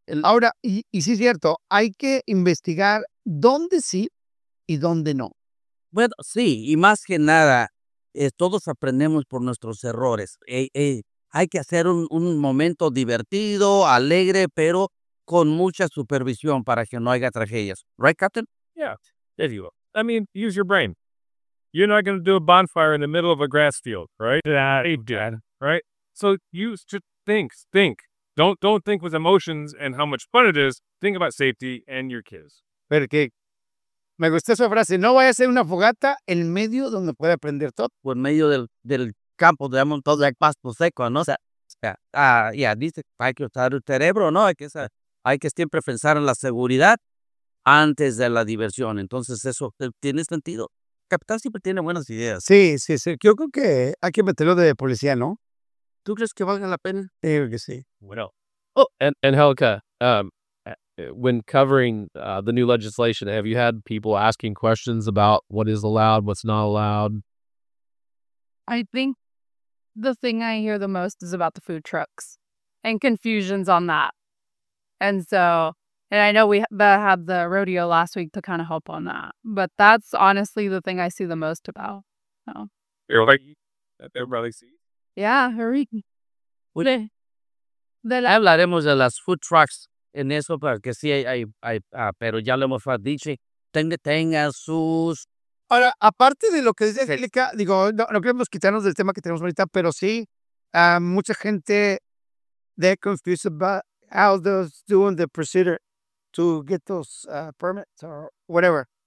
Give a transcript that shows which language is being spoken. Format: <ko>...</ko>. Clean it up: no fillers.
<es>Ahora, y sí es cierto, hay que investigar dónde sí y dónde no. Bueno, sí, y más que nada, todos aprendemos por nuestros errores. Hay que hacer un momento divertido, alegre, pero con mucha supervisión para que no haya tragedias.</es> <en>Right, Captain? Yeah, there you go. I mean, use your brain. You're not going to do a bonfire in the middle of a grass field, right? Right? So use to think. Don't think with emotions and how much fun it is. Think about safety and your kids.</en> <es>Porque me gustó esa frase. No vaya a ser una fogata en medio donde pueda aprender todo. O en medio del campo, digamos, todo el pasto seco, ¿no? Dice, hay que usar el cerebro, ¿no? Hay que siempre pensar en la seguridad antes de la diversión. Entonces, eso tiene sentido. El capitán siempre tiene buenas ideas. Sí, sí, sí. Yo creo que hay que meterlo de policía, ¿no? ¿Tú crees que valga la pena? Sí, creo que sí. Bueno.</es> <en>Oh, and Helica, when covering the new legislation, have you had people asking questions about what is allowed, what's not allowed? I think the thing I hear the most is about the food trucks and confusions on that. And so, and I know we had the rodeo last week to kind of help on that, but that's honestly the thing I see the most about. So. You're like, that everybody sees? Yeah, hurry.</en> <es>Hablaremos de las food trucks en eso, porque sí hay, pero ya lo hemos dicho, tenga sus... Ahora, aparte de lo que dice Angélica, digo, no queremos quitarnos del tema que tenemos ahorita, pero sí, mucha gente,</es> <en>they're confused about how they're doing the procedure to get those permits or whatever.</en>